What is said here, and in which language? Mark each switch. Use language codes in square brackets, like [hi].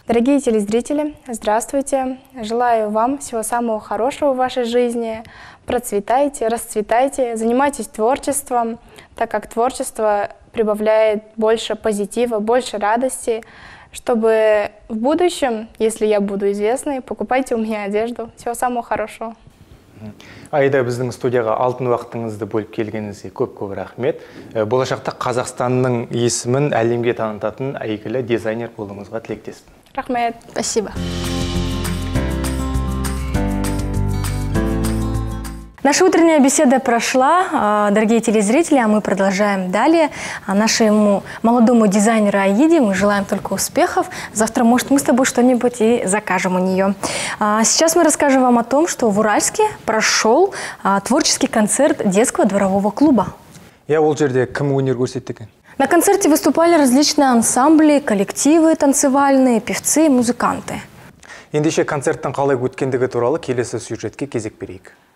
[ru] Дорогие телезрители, здравствуйте. Желаю вам всего самого хорошего в вашей жизни. Процветайте, расцветайте, занимайтесь творчеством, так как творчество прибавляет больше позитива, больше радости, чтобы в будущем, если я буду известной, покупайте у меня одежду. Всего самого хорошего. [kk] Аида, біздің студияға алтын уақытыңызды бөліп келгеніңізге көп-көп рахмет. Болашақта Қазақстанның есімін әлемге танытатын әйгілі дизайнер болуыңызға тілектеспін. Рахмет. [ru] Спасибо. Наша утренняя беседа прошла, дорогие телезрители, а мы продолжаем далее. Нашему молодому дизайнеру Аиде мы желаем только успехов. Завтра, может, мы с тобой что-нибудь и закажем у нее. Сейчас мы расскажем вам о том, что в Уральске прошел творческий концерт детского дворового клуба. Я Волчерде, кому унир гуситтеке? На концерте выступали различные ансамбли, коллективы танцевальные, певцы и музыканты. [kk] Ендеше концерттен қалай өткендігі туралы келесі сюжетке кезек берейік.